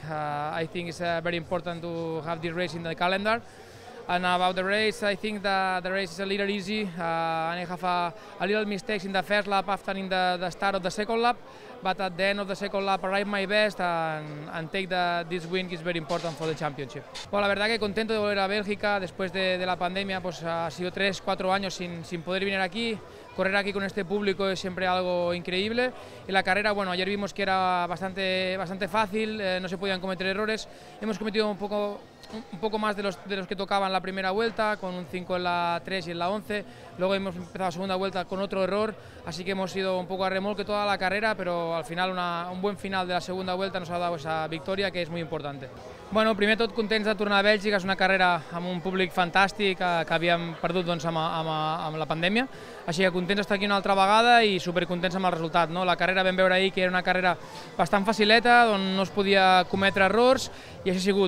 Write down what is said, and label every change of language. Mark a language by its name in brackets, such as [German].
[English] I think it's very important to have this race in the calendar. And about the race, I think the race is a little easy. And I have a little mistakes in the first lap after the start of the second lap. But at the end of the second lap, I arrived my best and take this win, which is very important for the championship. [Spanish] Well, la verdad que contento de volver a Bélgica después de la pandemia. Pues ha sido 3-4 años sin poder venir aquí. Correr aquí con este público es siempre algo increíble. En la carrera, bueno, ayer vimos que era bastante fácil, no se podían cometer errores. Hemos cometido un poco más de los que tocaban la primera vuelta, con un 5 en la 3 y en la 11. Luego hemos empezado la segunda vuelta con otro error, así que hemos ido un poco a remolque toda la carrera, pero al final un buen final de la segunda vuelta nos ha dado esa victoria, que es muy importante. [Catalan] Bueno, primer tot contents de tornar a Bèlgica, és una carrera amb un públic fantàstic que havíem perdut doncs, amb la pandèmia. Així que contents d'estar aquí una altra vegada i supercontents amb el resultat. No? La carrera vam veure ahir que era una carrera bastant facileta, on no es podia cometre errors, i així ha sigut.